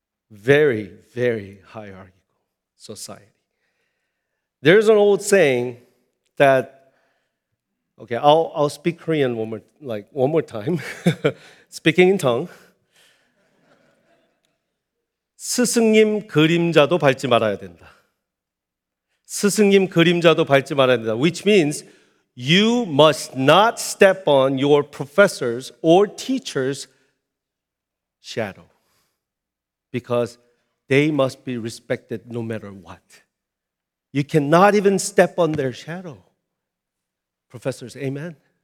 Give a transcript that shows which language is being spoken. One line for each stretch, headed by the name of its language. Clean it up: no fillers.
English: Very, very hierarchical society. There's an old saying that, okay, I'll speak Korean one more time, speaking in tongue.
Korean: 스승님 그림자도 밟지 말아야 된다. 스승님 그림자도 밟지 말아야 된다.
English: Which means you must not step on your professor's or teacher's shadow. Because they must be respected no matter what. You cannot even step on their shadow. Professors, amen.